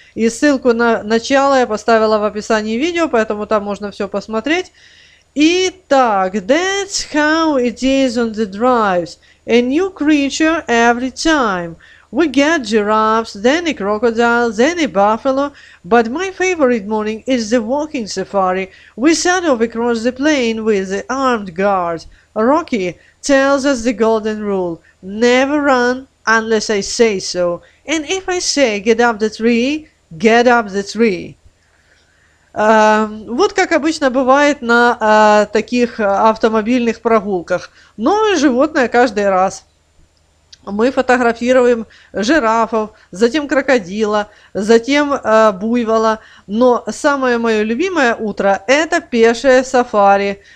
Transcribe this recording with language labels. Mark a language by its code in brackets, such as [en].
[ru] И ссылку на начало я поставила в описании видео, поэтому там можно все посмотреть. Итак, [en] that's how it is on the drives. A new creature every time. We get giraffes, then a crocodile, then a buffalo. But my favorite morning is the walking safari. We set off across the plain with the armed guard. Rocky tells us the golden rule. Never run unless I say so. And if I say get up the tree, get up the tree. [ru] Вот как обычно бывает на таких автомобильных прогулках. Новое животное каждый раз. Мы фотографируем жирафов, затем крокодила, затем буйвола. Но самое мое любимое утро – это пешее сафари.